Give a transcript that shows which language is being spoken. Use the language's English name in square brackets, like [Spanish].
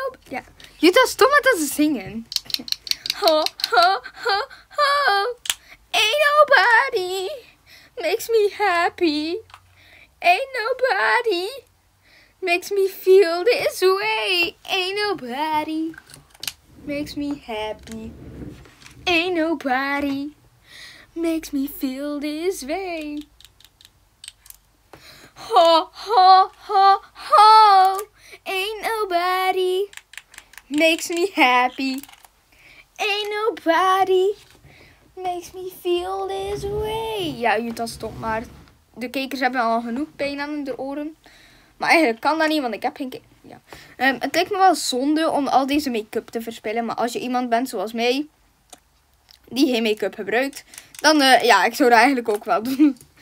[Dutch] Ja, Jutta, stop met dat ze zingen. Ho, ho, ho, ho. [English] Ain't nobody makes me happy. Ain't nobody makes me feel this way. Ain't nobody makes me happy. Ain't nobody makes me feel this way. Ho, ho, ho, ho. Ain't nobody makes me happy. Ain't nobody makes me feel this way. [Dutch] Ja, Jutta, stop maar. De kijkers hebben al genoeg pijn aan de oren. Maar eigenlijk kan dat niet, want ik heb geen ja. Het lijkt me wel zonde om al deze make-up te verspillen. Maar als je iemand bent zoals mij, die geen make-up gebruikt, dan ja, ik zou dat eigenlijk ook wel doen.